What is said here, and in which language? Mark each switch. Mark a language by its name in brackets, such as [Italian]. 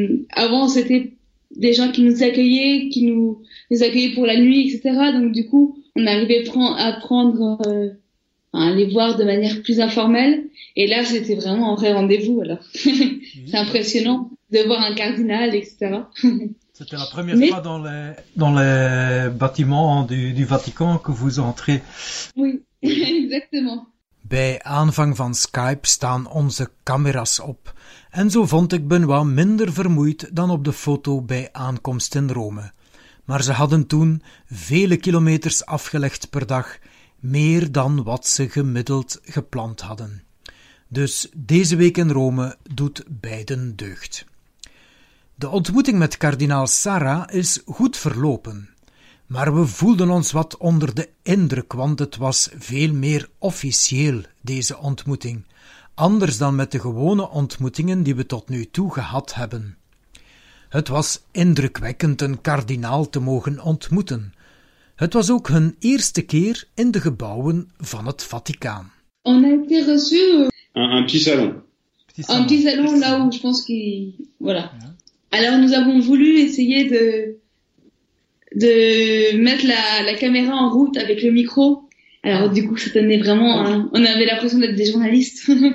[French] Avant, c'était des gens qui nous accueillaient, qui nous accueillaient pour la nuit, etc. Donc, du coup, on arrivait à prendre hein, les voir de manière plus informelle. Et là, c'était vraiment un vrai rendez-vous. Alors, c'est impressionnant de voir un cardinal, etc. C'était la première fois dans les bâtiments du Vatican que vous entrez. Oui, exactement. [Dutch] Bij aanvang van Skype staan onze camera's op. En zo vond ik Benoît minder vermoeid dan op de foto bij aankomst in Rome. Maar ze hadden toen vele kilometers afgelegd per dag, meer dan wat ze gemiddeld gepland hadden. Dus deze week in Rome doet beiden deugd. De ontmoeting met kardinaal Sarra is goed verlopen. Maar we voelden ons wat onder de indruk, want het was veel meer officieel, deze ontmoeting. Anders dan met de gewone ontmoetingen die we tot nu toe gehad hebben. Het was indrukwekkend een kardinaal te mogen ontmoeten. Het was ook hun eerste keer in de gebouwen van het Vaticaan. [French] On a été reçu un petit salon. Un petit salon là où je pense qu'il voilà. Alors nous avons voulu essayer de mettre la caméra en route avec le micro. Alors du coup, ça donnait vraiment on avait l'impression d'être des journalistes.